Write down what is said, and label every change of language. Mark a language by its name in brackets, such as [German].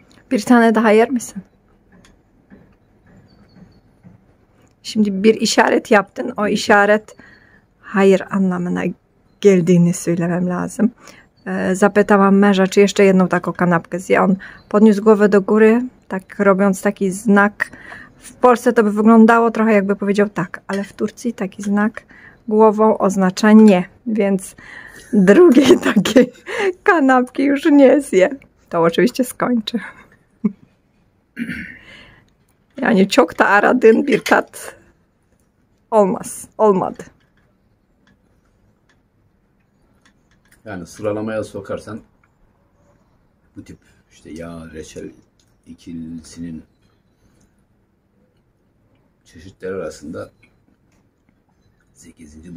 [Turkish] Bir tane daha yer misin? Şimdi bir işaret yaptın. O Yedim. işaret hayır anlamına geldiğini söylemem lazım. [Polish] Zapytałam męża, czy jeszcze jedną taką kanapkę zje. On podniósł głowę do góry, tak robiąc taki znak. W Polsce to by wyglądało trochę jakby powiedział tak, ale w Turcji taki znak głową oznacza nie, więc drugiej takiej kanapki już nie zje. To oczywiście skończy. [Turkish] Yani çok da aradığın bir tat olmaz, olmadı. Yani sıralamaya sokarsan bu tip işte yağ, reçel ikilisinin çeşitleri arasında 8.